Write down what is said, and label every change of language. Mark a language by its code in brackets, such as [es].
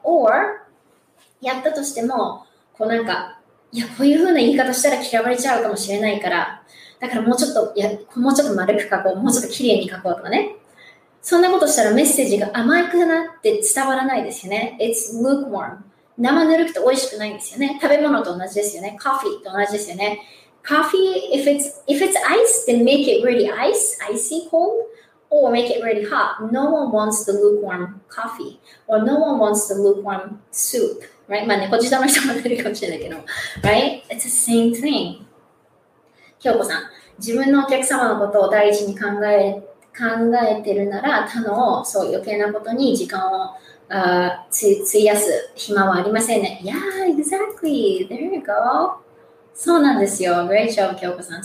[ja] Or, やったとしても、こうなんか、いや、こういう風な言い方したら嫌われちゃうかもしれないから、だからもうちょっと、いや、もうちょっと丸く書こう、もうちょっと綺麗に書こうとかね。そんなことしたらメッセージが甘いくなって伝わらないですよね。 [en] It's lukewarm. [ja] 生ぬるくて美味しくないんですよね。食べ物と同じですよね。コーヒーと同じですよね。 [en] コーヒー、if it's ice, then make it really ice, icy cold, or make it really hot. No one wants the lukewarm coffee, or no one wants the lukewarm soup, right? [ja] まあ、猫舌の人も出るかもしれないけど、 [en] right? It's the same thing. [ja] 京子さん、自分のお客様のことを第一に考えてるなら、他のそう余計なことに時間を費やす暇はありませんね。 [en] Yeah, exactly. There you go. [ja] そうなんですよ。 [en] Great job, 京子さん。